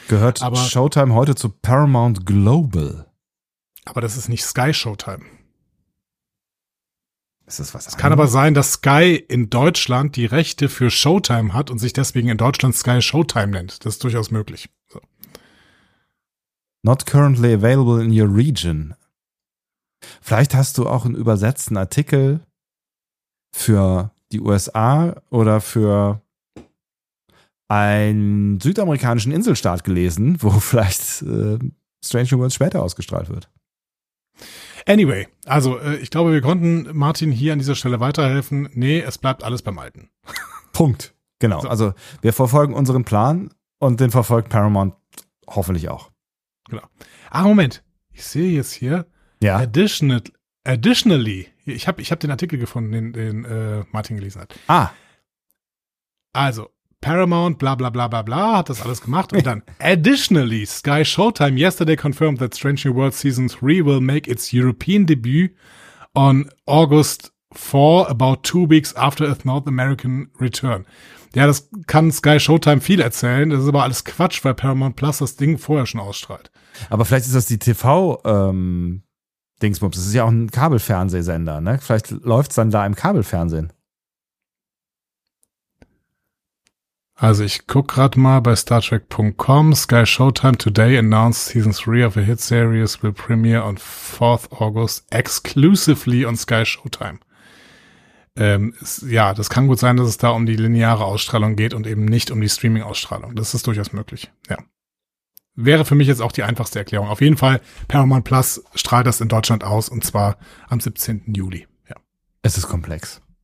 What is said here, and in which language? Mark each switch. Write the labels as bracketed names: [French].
[German] Gehört aber Showtime heute zu Paramount Global. Aber das ist nicht Sky Showtime. Ist das was? Es kann aber sein, dass Sky in Deutschland die Rechte für Showtime hat und sich deswegen in Deutschland Sky Showtime nennt. Das ist durchaus möglich. So. [English] Not currently available in your region. [German] Vielleicht hast du auch einen übersetzten Artikel für die USA oder für einen südamerikanischen Inselstaat gelesen, wo vielleicht Strange New Worlds später ausgestrahlt wird. Anyway, also ich glaube, wir konnten Martin hier an dieser Stelle weiterhelfen. Nee, es bleibt alles beim Alten. Punkt. Genau. So. Also wir verfolgen unseren Plan und den verfolgt Paramount hoffentlich auch. Genau. Ah, Moment. Ich sehe jetzt hier. Ja. Additionally, ich hab den Artikel gefunden, den Martin gelesen hat. Ah. Also Paramount, bla bla bla bla bla, hat das alles gemacht. Und dann, [English] additionally, Sky Showtime yesterday confirmed that Strange New World Season 3 will make its European debut on August 4, about 2 weeks after its North American return. [German] Ja, das kann Sky Showtime viel erzählen. Das ist aber alles Quatsch, weil Paramount Plus das Ding vorher schon ausstrahlt. Aber vielleicht ist das die TV, Dingsbums. Das ist ja auch ein Kabelfernsehsender, ne? Vielleicht läuft's dann da im Kabelfernsehen. Also ich guck gerade mal bei StarTrek.com. [English] Sky Showtime today announced Season 3 of a hit series will premiere on 4th August exclusively on Sky Showtime. [German] Das kann gut sein, dass es da um die lineare Ausstrahlung geht und eben nicht um die Streaming-Ausstrahlung. Das ist durchaus möglich, ja. Wäre für mich jetzt auch die einfachste Erklärung. Auf jeden Fall, Paramount Plus strahlt das in Deutschland aus und zwar am 17. Juli. Ja. Es ist komplex.